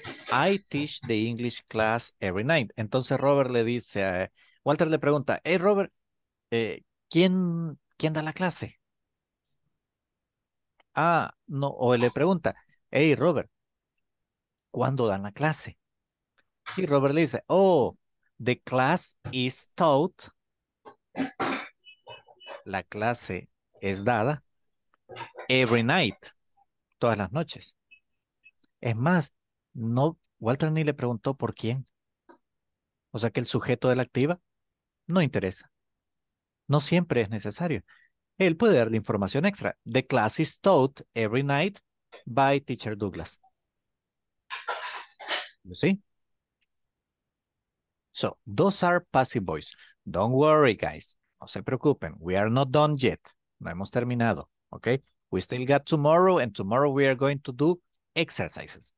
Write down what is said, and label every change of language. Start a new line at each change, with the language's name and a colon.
English: I teach the English class every night.
Spanish: Entonces Robert le dice, Walter le pregunta, hey Robert, ¿quién da la clase? Ah, no, o él le pregunta, hey Robert, ¿cuándo dan la clase? Y Robert le dice,
English: oh, the class is taught.
Spanish: La clase es dada
English: every night,
Spanish: todas las noches. Es más, no, Walter ni le preguntó por quién. O sea que el sujeto de la activa no interesa. No siempre es necesario. Él puede darle información extra.
English: The class is taught every night by Teacher Douglas. You see? So, those are passive voice. Don't worry, guys.
Spanish: No se preocupen.
English: We are not done yet.
Spanish: No hemos terminado.
English: Okay? We still got tomorrow, and tomorrow we are going to do exercises.